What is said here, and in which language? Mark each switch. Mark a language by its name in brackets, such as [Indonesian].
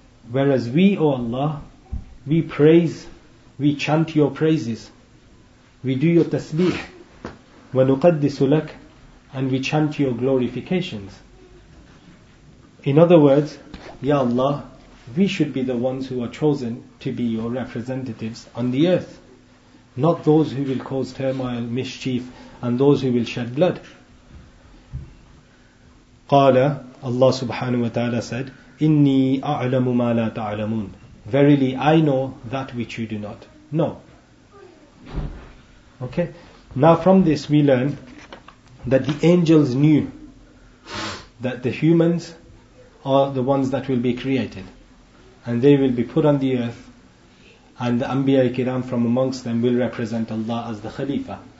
[English] Whereas we, O Allah, we praise, we chant your praises, we do your tasbih, [Arabic] وَنُقَدِّسُ لَكَ, [English] and we chant your glorifications. In other words, Ya Allah, we should be the ones who are chosen to be your representatives on the earth, not those who will cause turmoil, mischief, and those who will shed blood. [Arabic] قَالَ, Allah subhanahu wa ta'ala said, إِنِّي أَعْلَمُ مَا لَا تَعْلَمُونَ. [English] Verily, I know that which you do not know. Okay? Now from this we learn that the angels knew that the humans are the ones that will be created, and they will be put on the earth, and the Anbiya-i-Kiram from amongst them will represent Allah as the Khalifa.